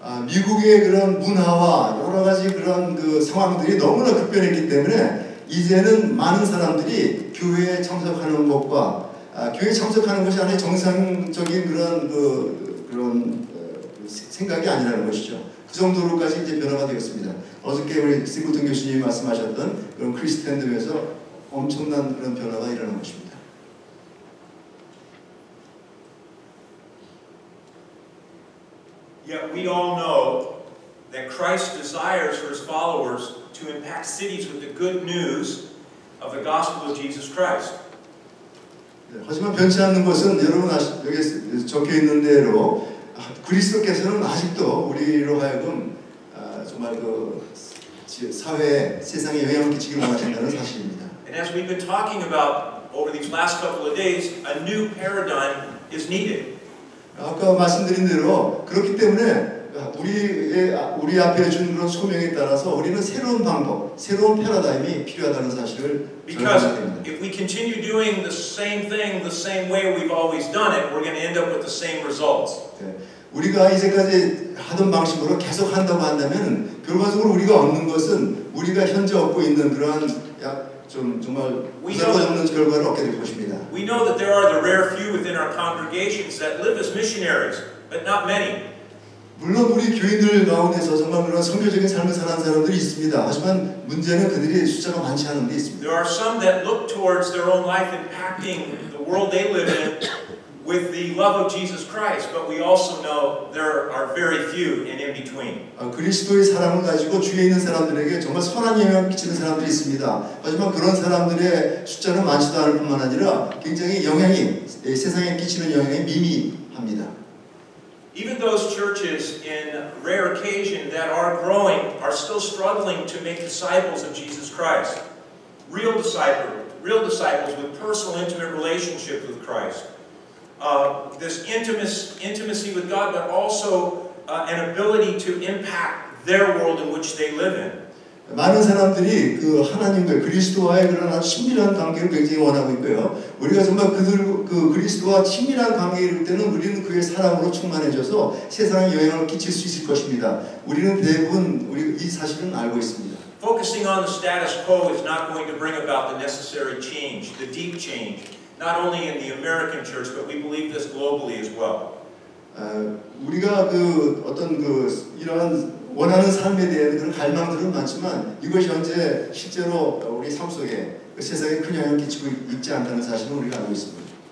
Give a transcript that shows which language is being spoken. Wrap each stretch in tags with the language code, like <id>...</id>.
<ko>미국의 그런 문화와 여러 가지 그런 그 상황들이 너무나 급변했기 때문에 이제는 많은 사람들이 교회에 참석하는 것과 교회에 참석하는 것이 하나의 정상적인 그런 생각이 아니라는 것이죠. 그 정도로까지 이제 변화가 되었습니다. 어저께 우리 싱글턴 교수님이 말씀하셨던 그런 크리스텐덤에서 엄청난 그런 변화가 일어난 것입니다.</ko> <en>Yet we all know that Christ desires for his followers to impact cities with the good news of the gospel of Jesus Christ.</en> <ko>하지만 변치 않는 것은 여러분 여기 적혀 있는 대로 그리스도께서는 아직도 우리로 하여금 정말 그 사회 세상에 영향을 끼치기 원하신다는 사실입니다.</ko> <en>And as we've been talking about over these last couple of days, a new paradigm is needed.</en> <ko>아까 말씀드린 대로 그렇기 때문에 우리 앞에 준 그런 소명에 따라서 우리는 새로운 방법, 새로운 패러다임이 필요하다는 사실을</ko> <en>Because if we continue doing the same thing the same way we've always done it, we're going to end up with the same results.</en> <ko>우리가 이제까지 하던 방식으로 계속 한다고 한다면 결과적으로 우리가 얻는 것은 우리가 현재 얻고 있는 그러한 정말 부담 없는 결과를 얻게 될 것입니다.</ko> <en>We know that there are the rare few within our congregations that live as missionaries, but not many.</en> <ko>물론 우리 교인들 가운데서 정말 그런 선교적인 삶을 사는 사람들이 있습니다. 하지만 문제는 그들이 숫자가 많지 않은 데 있습니다.</ko> <en>There are some that look towards their own life impacting the world they live in with with the love of Jesus Christ, but we also know there are very few and in between.</en> <ko>그리스도의 사랑을 가지고 주에 있는 사람들에게 정말 선한 영향을 끼치는 사람들이 있습니다. 하지만 그런 사람들의 숫자는 많지도 않을 뿐만 아니라 굉장히 영향이 세상에 끼치는 영향이 미미합니다.</ko> <en>Even those churches in rare occasion that are growing are still struggling to make disciples of Jesus Christ. Real disciples, real disciples with personal intimate relationship with Christ. This intimacy with God, but also an ability to impact their world in which they live in.</en> <ko>많은 사람들이 그 하나님과 그리스도와의 그런 친밀한 관계를 굉장히 원하고 있고요. 우리가 정말 그들 그 그리스도와 친밀한 관계일 때는 우리는 그의 사랑으로 충만해져서 세상에 영향을 끼칠 수 있을 것입니다. 우리는 대부분 우리 이 사실은 알고 있습니다.</ko> <en>Focusing on the status quo is not going to bring about the necessary change, the deep change, not only in the American church, but we believe this globally as well.</en> <ko>우리가 그 어떤 그 이러한 원하는 삶에 대한 그런 갈망들은 많지만 이것이 현재 실제로 우리 삶 속에 그 세상에 큰 영향을 끼치고 있지 않다는 사실은 우리가 알고 있습니다.</ko>